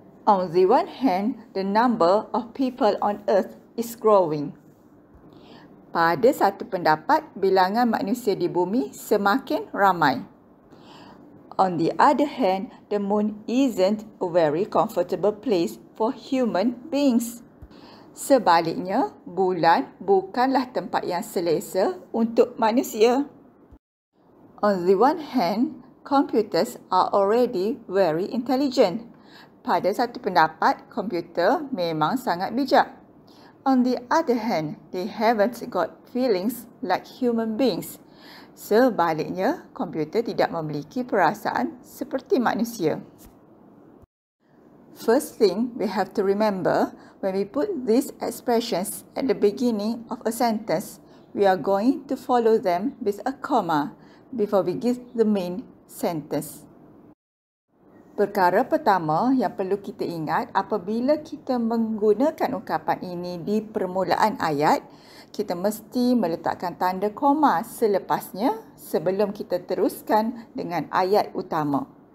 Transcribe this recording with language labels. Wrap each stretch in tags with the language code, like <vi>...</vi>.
<en>On the one hand, the number of people on earth is growing.</en> <ms>Pada satu pendapat, bilangan manusia di bumi semakin ramai.</ms> <en>On the other hand, the moon isn't a very comfortable place for human beings.</en> <ms>Sebaliknya, bulan bukanlah tempat yang selesa untuk manusia.</ms> <en>On the one hand, computers are already very intelligent.</en> <ms>Pada satu pendapat, komputer memang sangat bijak.</ms> <en>On the other hand, they haven't got feelings like human beings.</en> <ms>Sebaliknya, komputer tidak memiliki perasaan seperti manusia.</ms> <en>First thing we have to remember, when we put these expressions at the beginning of a sentence, we are going to follow them with a comma before we give the main sentence.</en> <ms>Perkara pertama yang perlu kita ingat apabila kita menggunakan ungkapan ini di permulaan ayat, kita mesti meletakkan tanda koma selepasnya sebelum kita teruskan dengan ayat utama.</ms>